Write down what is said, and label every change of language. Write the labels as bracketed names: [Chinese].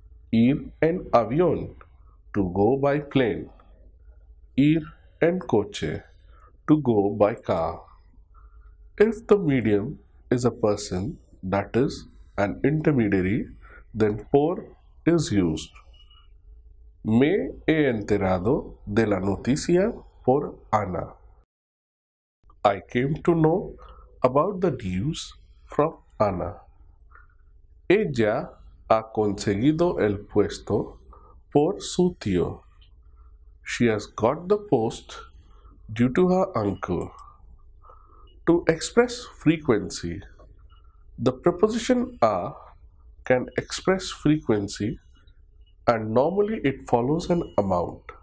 [Spanish] Ir en avión, [English] to go by plane. [Spanish] Ir en coche, [English] to go by car. If the medium is a person, that is an intermediary, then por is used. [Spanish] Me he enterado de la noticia por Ana. [English] I came to know about the news from Ana. [Spanish] Ella ha conseguido el puesto por su tío. [English] She has got the post due to her uncle. To express frequency, the preposition a can express frequency and normally it follows an amount.